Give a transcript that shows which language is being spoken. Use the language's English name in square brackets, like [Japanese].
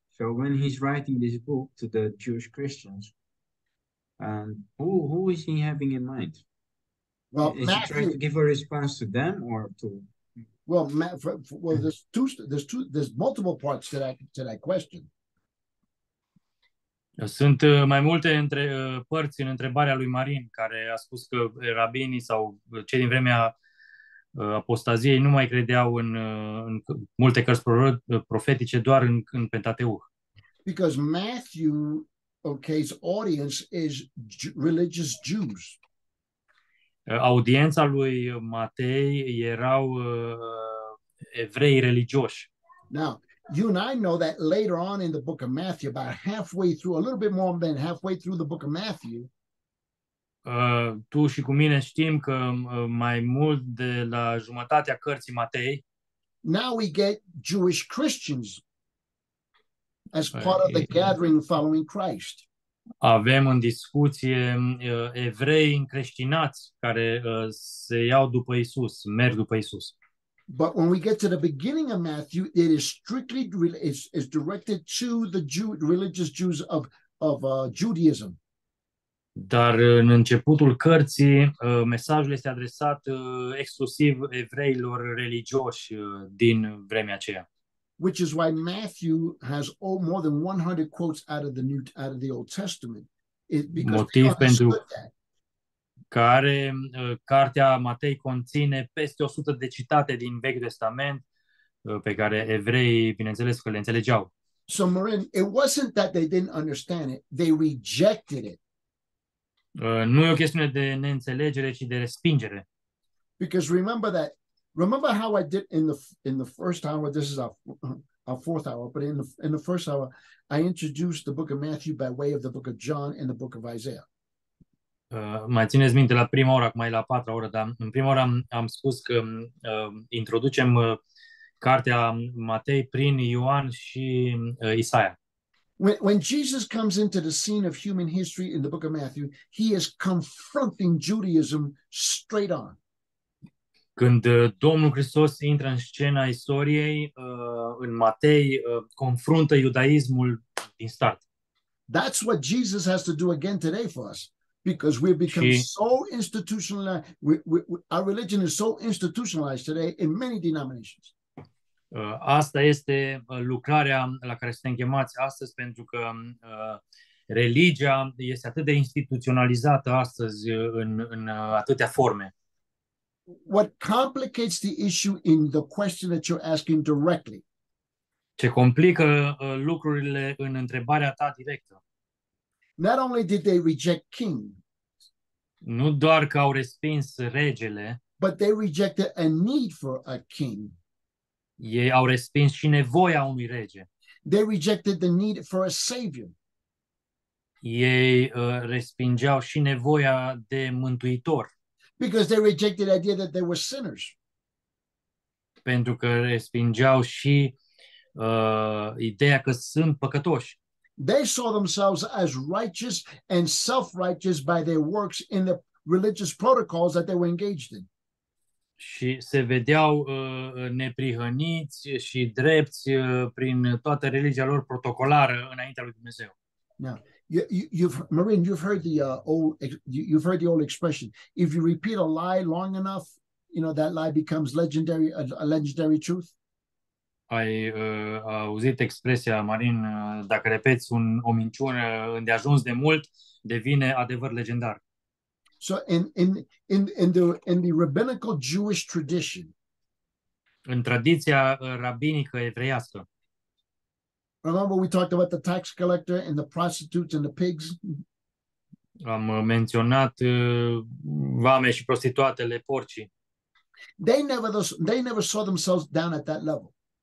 [English] So when he's writing this book to the Jewish Christians, who is he having in mind? Well, is Matthew, he trying to give a response to them or to? Well, Matt, well, there's multiple parts to that question. [Romanian] Sunt mai multe între părți în întrebarea lui Marin, care a spus că rabinii sau cei din vremea apostaziei nu mai credeau în multe cărți profetice, doar în Pentateuch. [English] Because Matthew, okay, his audience is religious Jews. [Romanian] Audiența lui Matei erau evrei religioși. [English] Now, you and I know that later on in the book of Matthew, about halfway through, a little bit more than halfway through the book of Matthew. [Romanian] Tu și cu mine știm că mai mult de la jumătatea cărții Matei. [English] Now we get Jewish Christians as part of the gathering following Christ. [Romanian] Avem în discuție evrei încreștinați care se iau după Isus, merg după Isus. [English] But when we get to the beginning of Matthew, it is strictly is directed to the religious Jews of Judaism. [Romanian] Dar în începutul cărții, mesajul este adresat exclusiv evreilor religioși din vremea aceea. [English] Which is why Matthew has more than 100 quotes out of the Old Testament. It, because [Romanian] motiv pentru [English] that. [Romanian] care cartea Matei conține peste 100 de citate din Vechiul Testament pe care evreii, bineînțeles, că le înțelegeau. [English] So, Marin, it wasn't that they didn't understand it. They rejected it. [Romanian] Nu e o chestiune de neînțelegere, ci de respingere. [English] Because remember that, remember how I did in the first hour, this is our fourth hour, but in the first hour, I introduced the book of Matthew by way of the book of John and the book of Isaiah. [Romanian] Mai țineți minte la prima oră, acum e la patra oră, dar în prima oră am spus că introducem cartea Matei prin Ioan și Isaia. [English] When Jesus comes into the scene of human history in the book of Matthew, he is confronting Judaism straight on. [Romanian] Când Domnul Hristos intră în scena istoriei, în Matei, confruntă iudaismul din start. [English] That's what Jesus has to do again today for us. Because we've become so institutionalized, our religion is so institutionalized today in many denominations. [Romanian] Asta este lucrarea la care suntem chemați astăzi, pentru că religia este atât de instituționalizată astăzi în atâtea forme. [English] What complicates the issue in the question that you're asking directly? [Romanian] Ce complică lucrurile în întrebarea ta directă? [English] Not only did they reject king, [Romanian] nu doar că au respins regele, [English] but they rejected a need for a king. [Romanian] Ei au respins și nevoia unui rege. [English] They rejected the need for a savior. [Romanian] Ei respingeau și nevoia de mântuitor. [English] Because they rejected the idea that they were sinners. [Romanian] Pentru că respingeau și ideea că sunt păcătoși. [English] They saw themselves as righteous and self-righteous by their works in the religious protocols that they were engaged in. [Romanian] Și se vedeau neprihăniți și drepți prin toată religia lor protocolară înaintea lui Dumnezeu. [English] Now, Marin, you've heard the old expression. If you repeat a lie long enough, you know that lie becomes legendary, a legendary truth. [Romanian] Ai auzit expresia, Marin, dacă repeți o minciună îndeajuns de mult, devine adevăr legendar. [English] So in the rabbinical Jewish tradition, [Romanian] în tradiția rabinică evreiască, [English] remember we talked about the tax collector and the prostitutes and the pigs? [Romanian] Am menționat vame și prostituatele, porcii. [English] They never saw themselves down at that level.